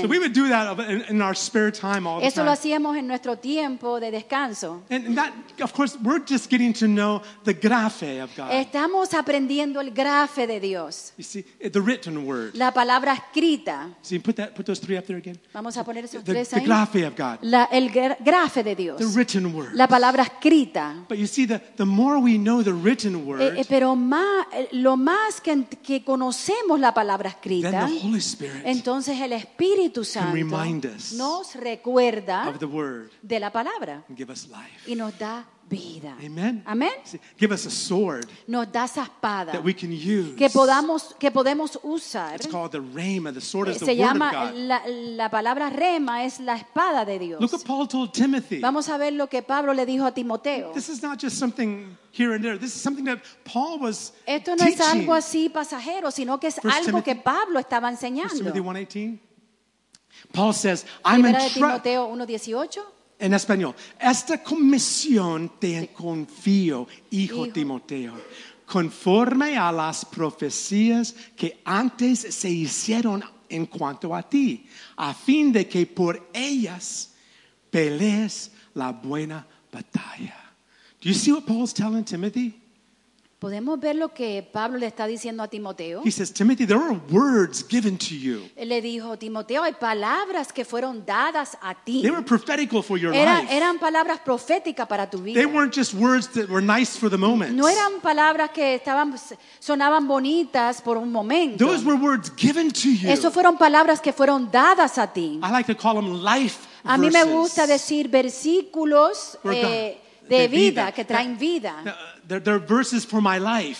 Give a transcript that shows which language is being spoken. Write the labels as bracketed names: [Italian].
[English] So we would do that in our spare time all the [Spanish] eso [English] time. [Spanish] Eso lo hacíamos en nuestro tiempo de descanso. [English] And that, of course, we're just getting to know the grafe of God. [Spanish] Estamos aprendiendo el grafe de Dios. [English] You see, the written word. [Spanish] La palabra escrita. [English] See, put those three up there again. [Spanish] Vamos a poner esos [English] the, [Spanish] tres ahí. [English] The grafe of God. [Spanish] El grafe de Dios. [English] The written word. [Spanish] La palabra escrita. [English] But you see, the more we know the written word. [Spanish] Pero más, lo más que conocemos la palabra escrita, entonces el Espíritu Santo nos recuerda de la palabra y nos da vida. [English] Amen. [Spanish] Amen. [English] See, give us a sword [Spanish] nos da esa espada [English] that we can use. [Spanish] Que podemos usar. [English] It's called the rhema. The sword is [Spanish] se [English] the [Spanish] llama [English] word of God. [Spanish] La palabra rhema es la espada de Dios. [English] Look what Paul told Timothy. [Spanish] Vamos a ver lo que Pablo le dijo a Timoteo. [English] This is not just something here and there. This is something that Paul was teaching. [Spanish] Esto no es algo así pasajero, sino que es algo [English] Timothy, [Spanish] que Pablo estaba enseñando. [English] 1 Timothy 1:18. Paul says, I'm in [Spanish] Timoteo 1:18. En español, esta comisión te confío, hijo Timoteo, conforme a las profecías que antes se hicieron en cuanto a ti, a fin de que por ellas pelees la buena batalla. [English] Do you see what Paul's telling Timothy? [Spanish] ¿Podemos ver lo que Pablo le está diciendo a Timoteo? [English] He says, Timothy, there are words given to you. [Spanish] Él le dijo, Timoteo, hay palabras que fueron dadas a ti. [English] They were prophetical for your [Spanish] life. Eran palabras proféticas para tu vida. [English] They weren't just words that were nice for the moment. [Spanish] No eran palabras que sonaban bonitas por un momento. [English] Those were words given to you. [Spanish] Esos fueron palabras que fueron dadas a ti. [English] I like to call them life verses. [Spanish] A mí me gusta decir versículos de vida, que traen vida. [English] They're verses for my life.